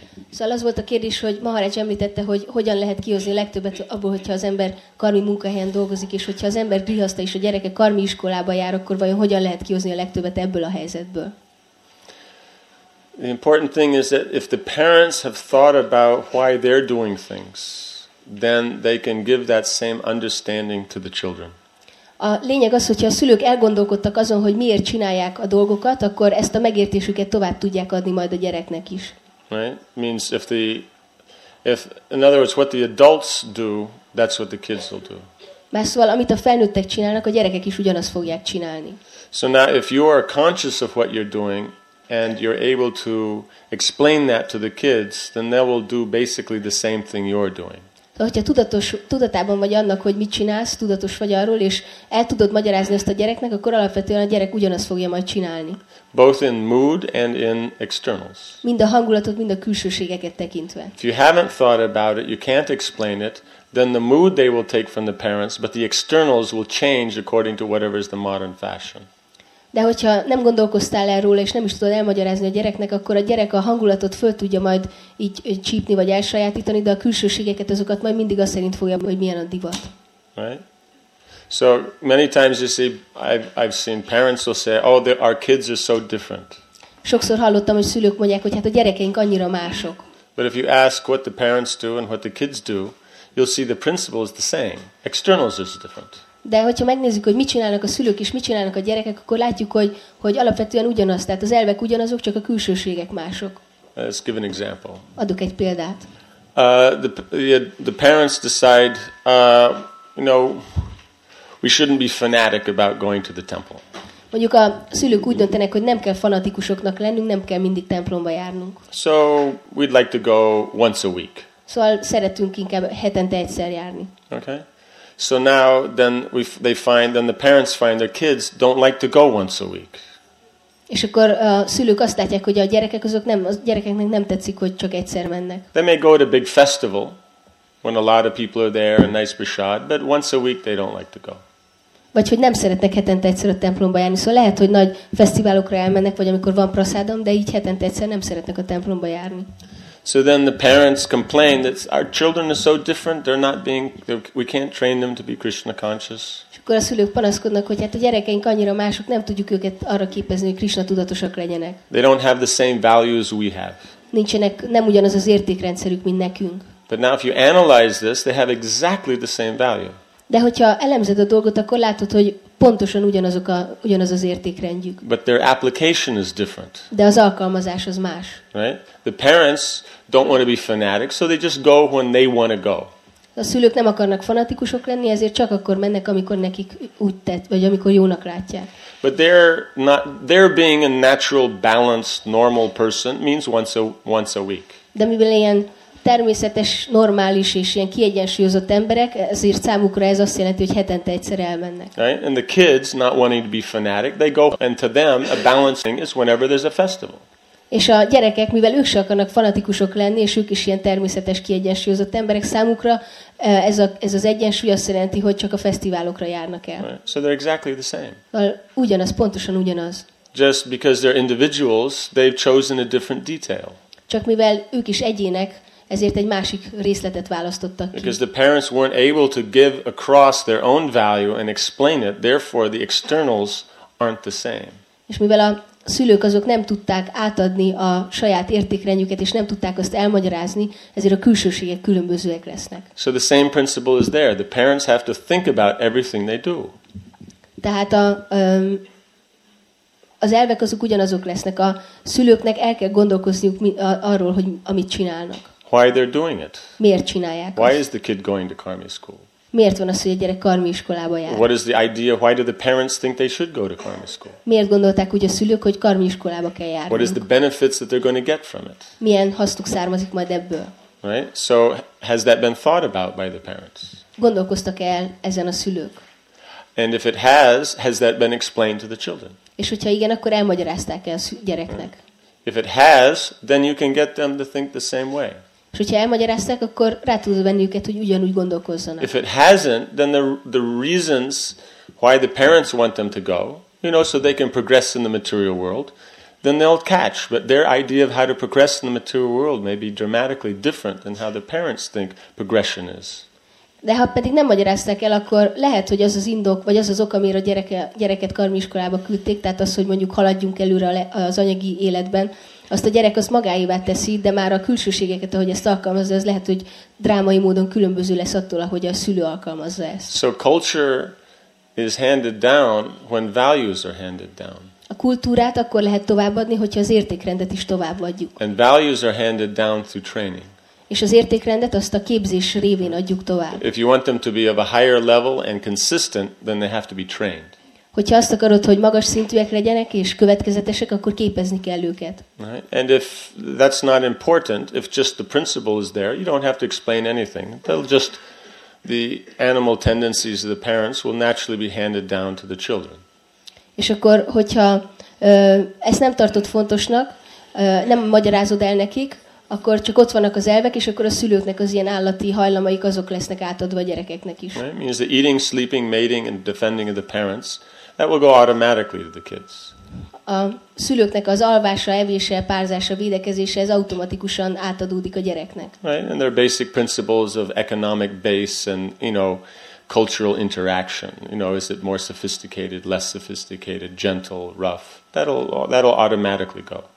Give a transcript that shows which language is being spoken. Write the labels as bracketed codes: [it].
[hu] Szóval az volt a kérdés, hogy Maharaj említette, hogy hogyan lehet kihozni a legtöbbet abból, hogyha az ember karmi munkahelyen dolgozik, és hogyha az ember grihasztha és a gyereke karmi iskolába jár, akkor vajon hogyan lehet kihozni a legtöbbet ebből a helyzetből? [en] The important thing is that if the parents have thought about why they're doing things, then they can give that same understanding to the children. [hu] A lényeg az, hogyha a szülők elgondolkodtak azon, hogy miért csinálják a dolgokat, akkor ezt a megértésüket tovább tudják adni majd a gyereknek is. [en] Right? Means if in other words, what the adults do, that's what the kids will do. [hu] Más szóval, amit a felnőttek csinálnak, a gyerekek is ugyanazt fogják csinálni. [en] So now, if you are conscious of what you're doing, and you're able to explain that to the kids, then they will do basically the same thing you're doing. [hu] Hogyha tudatában vagy annak, hogy mit csinálsz, tudatos vagy arról, és el tudod magyarázni ezt a gyereknek, akkor alapvetően a gyerek ugyanazt fogja majd csinálni. [en] Both in mood and in externals. [hu] Mind a hangulatot, mind a külsőségeket tekintve. [en] If you haven't thought about it, you can't explain it, then the mood they will take from the parents, but the externals will change according to whatever is the modern fashion. [hu] De hogyha nem gondolkoztál erről és nem is tudod elmagyarázni a gyereknek, akkor a gyerek a hangulatot föl tudja majd így csípni vagy elsajátítani, de a külsőségeket azokat majd mindig azt szerint fogja, hogy milyen a divat. [en] Right. So many times you see, I've seen parents will say, oh, our kids are so different. [hu] Sokszor hallottam, hogy szülők mondják, hogy hát a gyerekeink annyira mások. [en] But if you ask what the parents do and what the kids do, you'll see the principle is the same. Externals is different. [hu] De hogyha megnézzük, hogy mit csinálnak a szülők és mit csinálnak a gyerekek, akkor látjuk, hogy alapvetően ugyanaz, tehát az elvek ugyanazok, csak a külsőségek mások. [en] Let's give an example. [hu] Adok egy példát. [en] The parents decide, you know, we shouldn't be fanatic about going to the temple. [hu] Mondjuk a szülők úgy döntenek, hogy nem kell fanatikusoknak lennünk, nem kell mindig templomba járnunk. [en] So we'd like to go once a week. [hu] Szóval szeretünk inkább hetente egyszer járni. [en] Okay. So now then the parents find their kids don't like to go once a week. [hu] És akkor a szülők azt látják, hogy a gyerekeknek nem tetszik, hogy csak egyszer mennek. [en] They may go to a big festival when a lot of people are there and nice prasad, but once a week they don't like to go. [hu] Vagy hogy nem szeretnek hetente egyszer a templomba járni. Szóval lehet, hogy nagy fesztiválokra elmennek, vagy amikor van prasádom, de így hetente egyszer nem szeretnek a templomba járni. [en] So then the parents complain that our children are so different, they're not being, we can't train them to be Krishna conscious. [hu] És akkor a szülők panaszkodnak, hogy hát a gyerekeink annyira mások, nem tudjuk őket arra képezni, hogy Krishna tudatosak legyenek. [en] They don't have the same values we have. [hu] Nincsenek, nem ugyanaz az értékrendszerük, mint nekünk. [en] But now if you analyze this, they have exactly the same value. [hu] De hogyha elemzed a dolgot, akkor látod, hogy pontosan ugyanaz az értékrendjük. [en] But their application is different. [hu] De az alkalmazás az más. [en] Right? The parents don't want to be fanatic, so they just go when they want to go. [hu] A szülők nem akarnak fanatikusok lenni, ezért csak akkor mennek, amikor nekik úgy tett, vagy amikor jónak látják. [en] But they're being a natural, balanced, normal person means once a week. [hu] De mivel ilyen természetes, normális és ilyen kiegyensúlyozott emberek, ezért számukra ez azt jelenti, hogy hetente egyszer elmennek. [en] Right? And the kids, not wanting to be fanatic, they go, and to them, a balancing is whenever there's a festival. [hu] És a gyerekek, mivel ők se akarnak fanatikusok lenni, és ők is ilyen természetes, kiegyensúlyozott emberek, számukra ez az egyensúly azt jelenti, hogy csak a fesztiválokra járnak el. [en] Right. So they're exactly the same. [hu] Ugyanaz, pontosan ugyanaz. [en] Just because they're individuals, they've chosen a different detail. [hu] Csak mivel ők is egyének, ezért egy másik részletet választottak ki. [en] Because the parents weren't able to give across their own value and explain it, therefore the externals aren't the same. [hu] És mivel a szülők azok nem tudták átadni a saját értékrendjüket és nem tudták azt elmagyarázni, ezért a külsőségek különbözőek lesznek. [en] So the same principle is there. The parents have to think about everything they do. [hu] Tehát az elvek azok ugyanazok lesznek. A szülőknek el kell gondolkozniuk arról, hogy amit csinálnak. [en] Why they're doing it? [hu] Miért csinálják? [en] Why is the kid going to karmi school? [hu] Miért van az, hogy a gyerek karmi iskolába jár? [en] What is the idea? Why do the parents think they should go to karmi school? [hu] Miért gondolták úgy a szülők, hogy karmi iskolába kell járni? [en] What is the benefits that they're going to get from it? [hu] Milyen hasznuk származik majd ebből? [en] Right? So has that been thought about by the parents? [hu] Gondolkoztak el ezen a szülők? [en] And if it has that been explained to the children? [hu] És hogyha igen, akkor elmagyarázták el a gyereknek? [en] Right. If it has, then you can get them to think the same way. [hu] És hogyha elmagyarázták, akkor rá tudod venni őket, hogy ugyanúgy gondolkozzanak. [en] If it hasn't, then the reasons why the parents want them to go, you know, so they can progress in the material world, then they'll catch. But their idea of how to progress in the material world may be dramatically different than how the parents think progression is. [hu] De ha pedig nem magyarázták el, akkor lehet, hogy az az indok, vagy az az ok, amire a gyereket karmiskolába küldték, tehát az, hogy mondjuk haladjunk előre az anyagi életben, azt a gyerek azt magáévá teszi, de már a külsőségeket, ahogy ezt alkalmazza, az lehet, hogy drámai módon különböző lesz attól, ahogy a szülő alkalmazza ezt. [en] So culture is handed down when values are handed down. [hu] A kultúrát akkor lehet továbbadni, hogyha az értékrendet is továbbadjuk. [en] And values are handed down through training. [hu] És az értékrendet azt a képzés révén adjuk tovább. [en] If you want them to be of a higher level and consistent, then they have to be trained. [hu] Hogyha azt akarod, hogy magas szintűek legyenek és következetesek, akkor képezni kell őket. [en] Right. And if that's not important, if just the principle is there, you don't have to explain anything. They'll just the animal tendencies of the parents will naturally be handed down to the children. [hu] És akkor, hogyha ezt nem tartod fontosnak, nem magyarázod el nekik, akkor csak ott vannak az elvek, és akkor a szülőknek az ilyen állati hajlamaik azok lesznek átadva a gyerekeknek is. [en] Right? It means the eating, sleeping, mating and defending of the parents, that will go automatically to the kids. [hu] A szülőknek az alvása, evése, párzása, védekezése, ez automatikusan átadódik a gyereknek. [en] Right? And there are basic principles of economic base and, you know, cultural interaction. You know, is it more sophisticated, less sophisticated, gentle, rough? That'll automatically go.